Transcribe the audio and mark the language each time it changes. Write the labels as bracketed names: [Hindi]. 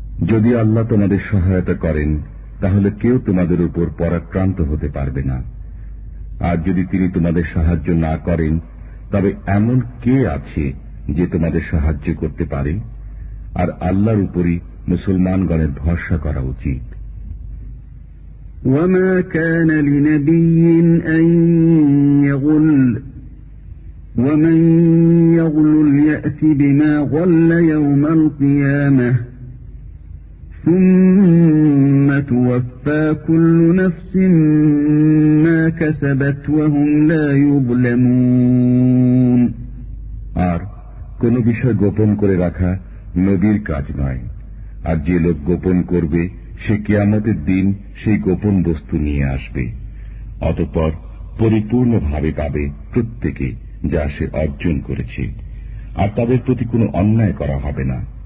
[Bangla] যদি আল্লাহ তোমাদের সহায়তা করেন তাহলে কেউ তোমাদের উপর পরাক্রান্ত হতে পারবে না, আর যদি তিনি তোমাদের সাহায্য না করেন তবে এমন কে আছে যে তোমাদের সাহায্য করতে পারে। আর আল্লাহর উপরই মুসলমানগণের ভরসা করা উচিত। [Arabic] وما كان لنبي أن يغل ومن يغل يأت بما غل يوم القيامة ثم توفى كل نفس ما كسبت وهم لا يظلمون। [Bangla] আর কোন বিষয় গোপন করে রাখা নবীর কাজ নয়, আর যে লোক গোপন করবে সে কিয়ামতের দিন সেই গোপন বস্তু নিয়ে আসবে, অতঃপর পরিপূর্ণভাবে পাবে প্রত্যেকে যা সে অর্জন করেছে, আর তাদের প্রতি কোনো অন্যায় করা হবে না।